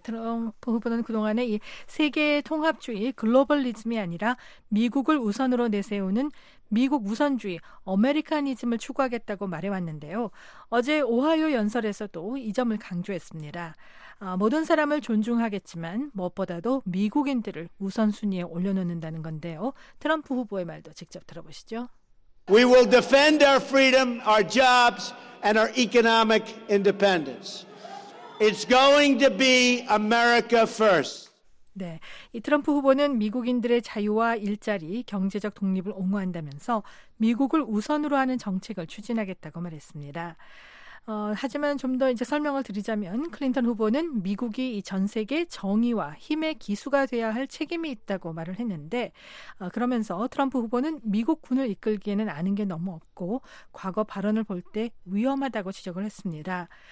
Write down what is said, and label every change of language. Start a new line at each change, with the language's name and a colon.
Korean: 트럼프 후보는 그동안에 이 세계 통합주의, 글로벌리즘이 아니라 미국을 우선으로 내세우는 미국 우선주의, 아메리카니즘을 추구하겠다고 말해왔는데요. 어제 오하이오 연설에서도 이 점을 강조했습니다. 모든 사람을 존중하겠지만 무엇보다도 미국인들을 우선순위에 올려놓는다는 건데요. 트럼프 후보의 말도 직접 들어보시죠.
English: We will defend our freedom, our jobs, and our economic independence. It's going to be America first.
Korean: 네, 이 트럼프 후보는 미국인들의 자유와 일자리, 경제적 독립을 옹호한다면서 미국을 우선으로 하는 정책을 추진하겠다고 말했습니다. 하지만 좀 더 이제 설명을 드리자면 클린턴 후보는 미국이 이 전 세계 정의와 힘의 기수가 되어야 할 책임이 있다고 말을 했는데 그러면서 트럼프 후보는 미국 군을 이끌기에는 아는 게 너무 없고 과거 발언을 볼 때 위험하다고 지적을 했습니다.